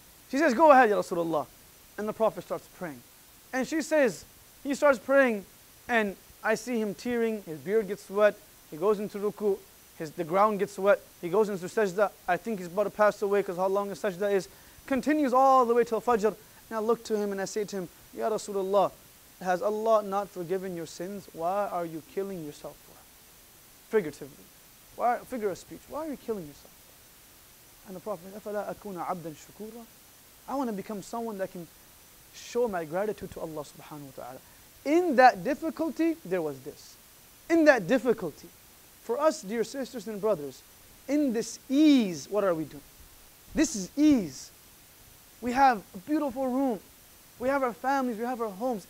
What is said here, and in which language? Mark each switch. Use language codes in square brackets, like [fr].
[en] She says, go ahead, Ya Rasulullah. And the Prophet starts praying. And she says, he starts praying, and I see him tearing, his beard gets wet, he goes into ruku, the ground gets wet, he goes into sajda, I think he's about to pass away because how long his sajda is, continues all the way till fajr, and I look to him and I say to him, Ya Rasulullah, has Allah not forgiven your sins? Why are you killing yourself for it? Figuratively. Figure of speech, why are you killing yourself? And the Prophet, [ar] أَفَلَا أَكُونَ عَبْدًا شُكُورًا? [en] I want to become someone that can show my gratitude to Allah subhanahu wa ta'ala. In that difficulty, there was this. In that difficulty, for us, dear sisters and brothers, in this ease, what are we doing? This is ease. We have a beautiful room. We have our families, we have our homes.